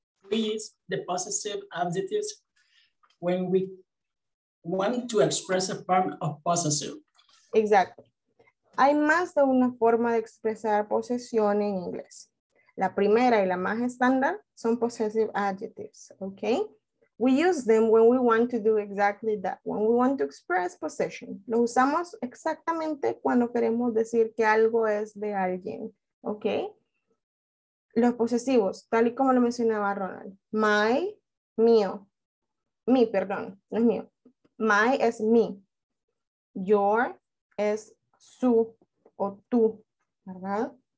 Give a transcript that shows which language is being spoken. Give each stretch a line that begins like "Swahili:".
English: the possessive adjectives when we want to express a form of possessive.
Spanish: Exacto. Hay más de una forma de expresar posesión en inglés. La primera y la más estándar son possessive adjectives, ¿ok?
English: We use them when we want to do exactly that, when we want to express possession.
Spanish: Lo usamos exactamente cuando queremos decir que algo es de alguien, ¿ok? Los posesivos, tal y como lo mencionaba Ronald, my, mío, mi, perdón, no es mío. My es mi, your es su o tú, ¿verdad?